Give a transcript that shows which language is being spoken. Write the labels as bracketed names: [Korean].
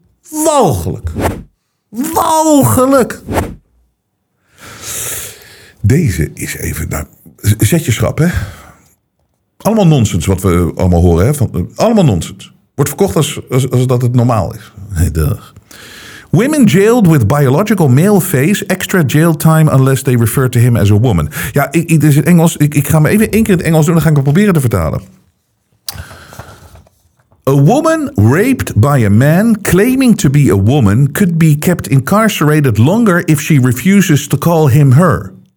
[Dutch] Walgelijk. Walgelijk. Deze is even. Nou, zet je schrap, hè? Allemaal nonsens wat we allemaal horen. Hè? Allemaal nonsens. Wordt verkocht als dat het normaal is. Nee, duh. [English] Women jailed with biological male face, extra jail time unless they refer to him as a woman. [Dutch] Ja, dit is in Engels. Ik ga me even één keer in het Engels doen, dan ga ik het proberen te vertalen. [English] A woman raped by a man claiming to be a woman could be kept incarcerated longer if she refuses to call him her.